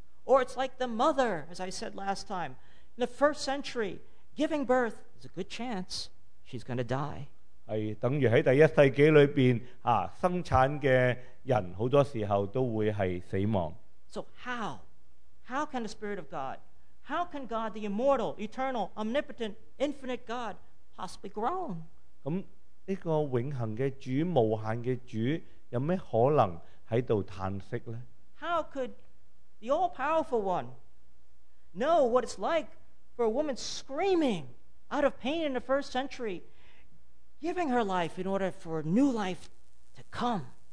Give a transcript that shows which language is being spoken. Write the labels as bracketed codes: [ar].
[en] Or it's like the mother, as I said last time. In the first century, giving birth is a good chance she's going to die. [zh] 等于在第一世纪里面，生产的人很多时候都会是死亡。 [en] So how? How can the Spirit of God, how can God, the immortal, eternal, omnipotent, infinite God, possibly groan? [zh] 这个永恒的主、无限的主，有什么可能在叹息呢？ [en] How could the all-powerful one know what it's like for a woman screaming out of pain in the first century, giving her life in order for new life to come?